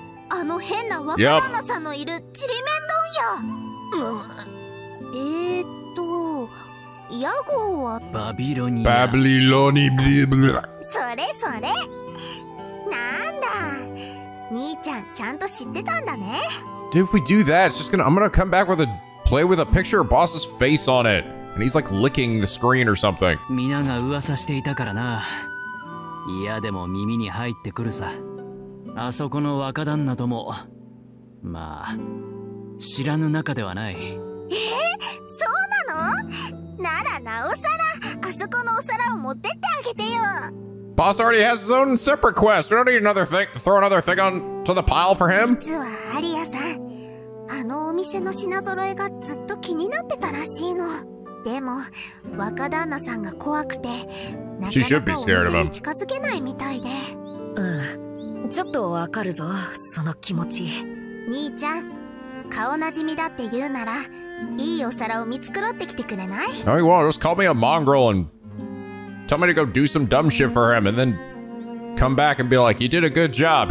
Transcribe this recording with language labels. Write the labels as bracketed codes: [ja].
[ja] あの変な若旦那さんのいるちりめん丼屋、屋号は… バビロニア… バビロニブリブラ… それそれ、なんだ…兄ちゃん、ちゃんと知ってたんだね。 [en] Dude, if we do that, it's just gonna, I'm gonna come back with a play with a picture of boss's face on it. And he's like licking the screen or something. [ja] みんなが噂していたからな。いやでも耳に入ってくるさ。あそこの若旦那とも、まあ、知らぬ仲ではない。そうなの? なら、なおさら、あそこのお皿を持ってってあげてよ。 [en] Boss already has his own separate quest. We don't need another thing. Throw another thing on to the pile for him. [ja] 実はアリアさん、あのお店の品揃えがずっと気になってたらしいの。でも若旦那さんが怖くて、なかなかお店に近づけないみたいで。うん、ちょっとわかるぞ、その気持ち。兄ちゃん、顔なじみだって言うなら、いいお皿を見繕ってきてくれない? [en] Oh, you want? Just call me a mongrel and... Tell me to go do some dumb shit for him and then come back and be like, you did a good job.